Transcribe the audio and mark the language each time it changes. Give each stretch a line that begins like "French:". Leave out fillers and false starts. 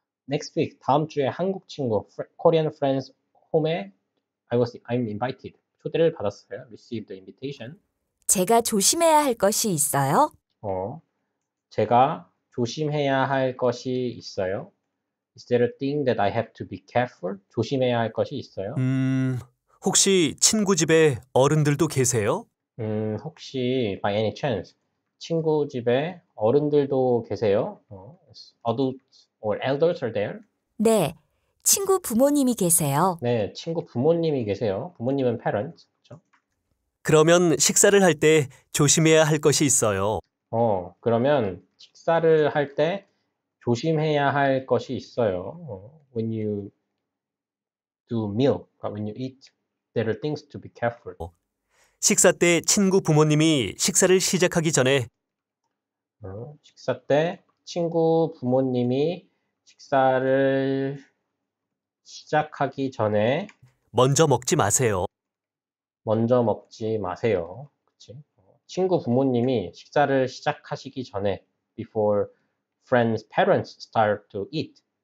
English: Next week,
Korean: 다음 주에 한국 친구,
English: Korean friends home에 I'm invited.
Korean: 초대를 받았어요.
English: Received the invitation.
Korean: 제가 조심해야 할 것이 있어요? 제가 조심해야 할 것이 있어요?
English: Is there a thing that I have to be careful?
Korean: 조심해야 할 것이 있어요? 혹시 친구 집에 어른들도 계세요? 혹시
English: by any chance
Korean: 친구 집에 어른들도 계세요?
English: Adults or elders are there?
Korean: 네, 친구 부모님이 계세요. 네, 친구 부모님이 계세요. 부모님은 parents, 그렇죠? 그러면 식사를 할때 조심해야 할 것이 있어요. 그러면 식사를 할때 조심해야 할 것이 있어요.
English: When you do meal, when you eat, there are things to be careful.
Korean: 식사 때 친구 부모님이 식사를 시작하기 전에 식사 때 친구 부모님이 식사를 시작하기 전에 먼저 먹지 마세요. 먼저 먹지 마세요. 그치? 친구 부모님이 식사를 시작하시기 전에
English: before friends' parents start to eat.